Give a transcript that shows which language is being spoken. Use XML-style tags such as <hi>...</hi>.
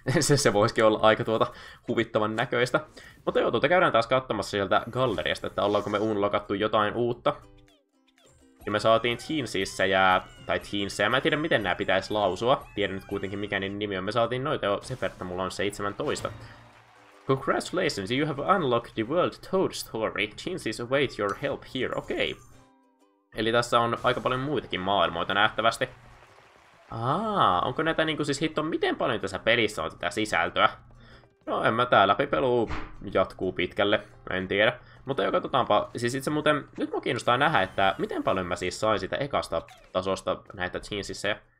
<fi>se voisikin olla aika tuota huvittavan näköistä. Mutta joo, tuota käydään taas katsomassa sieltä galleriasta, että ollaanko me unlockattu jotain uutta. Ja me saatiin Teensissä ja... tai Teensä, ja mä en tiedä miten nää pitäisi lausua. Tiedän nyt kuitenkin mikä niin nimi on. Me saatiin noita jo, se verta mulla on 17.</fi> <en>Congratulations, you have unlocked the world toad story. Teensys await your help here.</en> <fi>Okei. Okay. Eli tässä on aika paljon muitakin maailmoita nähtävästi. Aa, onko näitä niinku siis hitto, miten paljon tässä pelissä on tätä sisältöä? No en mä, tää läpipelu jatkuu pitkälle, en tiedä. Mutta jo katsotaanpa, siis itse muuten, nyt mua kiinnostaa nähdä, että miten paljon mä siis sain sitä ekasta tasosta näitä jeansissä.</fi>